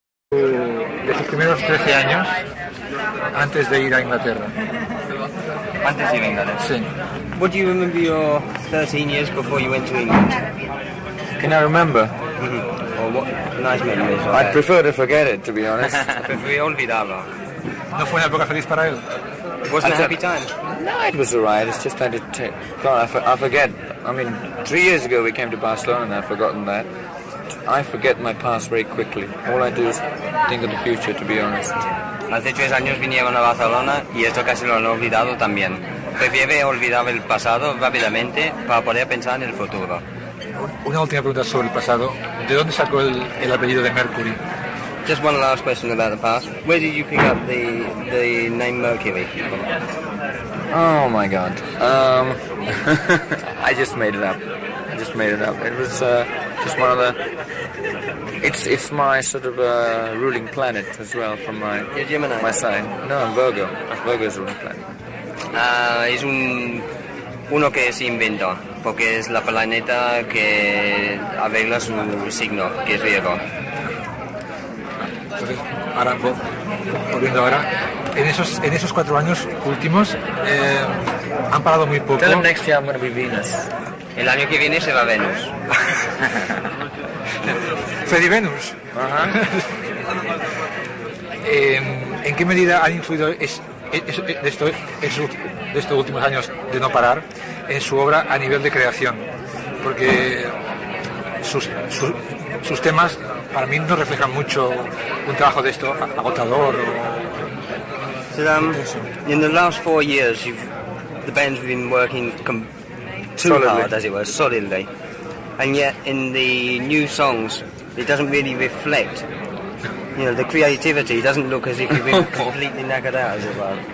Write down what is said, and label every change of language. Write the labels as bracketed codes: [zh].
[es] de tus primeros 13 años antes de ir a Inglaterra? Antes de ir a Inglaterra. Sí. [en] What do you remember your 13 years before you went to England? Can I remember? Well, what nice memories. I'd prefer to forget it, to be honest. [es] Preferí olvidarlo. ¿No fue una época feliz para él? [en] Wasn't a happy time. No, it was alright. It's just that it. I forget. I mean, 3 years ago we came to Barcelona, and I've forgotten that. I forget my past very quickly. All I do is think of the future, to be honest. [es] Hace 3 años vinieron a Barcelona y esto casi lo han olvidado también. Prefiero olvidar el pasado rápidamente para poder pensar en el futuro. Una última pregunta sobre el pasado. ¿De dónde sacó el apellido de Mercury? [en] Just one last question about the past. Where did you pick up the name Mercury? Oh my God. I just made it up. I just made it up. It was just one of the. It's my sort of ruling planet as well from my. You're Gemini. My sign. No, I'm Virgo. Virgo is ruling planet. [es] Es un uno que se inventó porque es la planeta que arregla su signo, que es Virgo. Ahora, volviendo ahora, en esos 4 años últimos han parado muy poco. [en] Tell them next year I'm going to be Venus. [es] El año que viene será Venus. Freddy Venus. Uh-huh. ¿En qué medida han influido de estos últimos años de no parar en su obra a nivel de creación? Porque sus temas para mí no reflejan mucho un trabajo de esto agotador. [en] So, in the last 4 years the band's been working too hard, as it were, solidly, and yet in the new songs it doesn't really reflect, you know, the creativity doesn't look as if you've been completely knackered out, as it were.